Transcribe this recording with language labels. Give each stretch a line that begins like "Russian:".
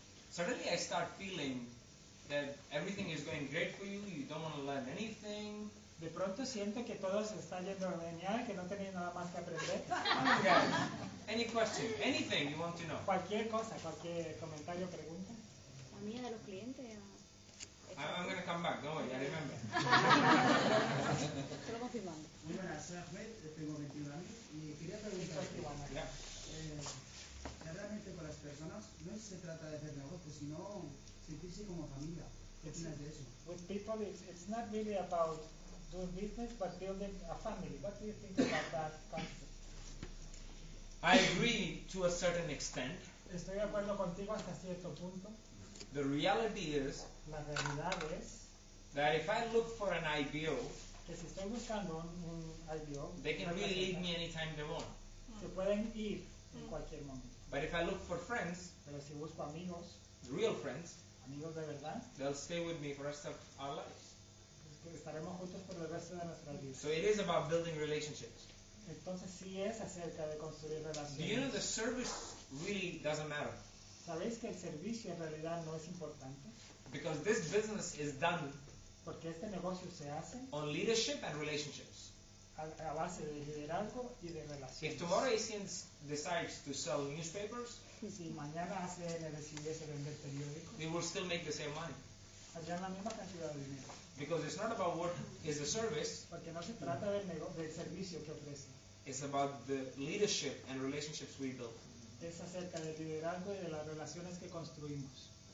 English: Suddenly I start feeling that everything is going great for you, you don't want to learn anything.
Spanish: De pronto siento que todo se está yendo genial, que no tenéis nada más que aprender.
English: Okay. Any question, anything you want to know.
Spanish: Cualquier cosa, cualquier comentario, pregunta. A mí, de los clientes.
English: I'm going to come back, don't worry, I remember.
Spanish: Estoy confirmando. Muy buenas, soy Ahmed, tengo 21 años y quería preguntar.
English: Yeah.
Spanish: Realmente para las personas no se trata de hacer negocios, sino sentirse como familia. ¿Qué opinas de eso?
English: With people, it's not really about doing business, but building a family. What do you think about that concept? I agree to a certain extent.
Spanish: Estoy de acuerdo contigo hasta cierto punto.
English: The reality is,
Spanish: la realidad es
English: that if I look for an IBO,
Spanish: que si estoy buscando un IBO,
English: they can really leave me anytime they want.
Spanish: Se pueden ir en cualquier momento.
English: But if I look for friends,
Spanish: pero si busco amigos,
English: real friends,
Spanish: amigos de verdad,
English: they'll stay with me for the rest of our lives.
Spanish: Estaremos juntos por el resto de nuestra vida.
English: So it is about building relationships.
Spanish: Entonces sí es acerca de construir relaciones.
English: Do you know the service really doesn't matter?
Spanish: ¿Sabéis que el servicio en realidad no es importante?
English: Because this business is done.
Spanish: Porque este negocio se hace.
English: On leadership and relationships.
Spanish: A base de liderazgo y de relaciones.
English: If tomorrow ACNs decides to sell newspapers,
Spanish: si mañana ACN decidiese vender periódicos,
English: they will still make the same money.
Spanish: Harían la misma cantidad de dinero.
English: Because it's not about what is the service.
Spanish: Porque no se trata del servicio que ofrece.
English: It's about the leadership and relationships we build.
Spanish: Es acerca del liderazgo y de las relaciones que construimos.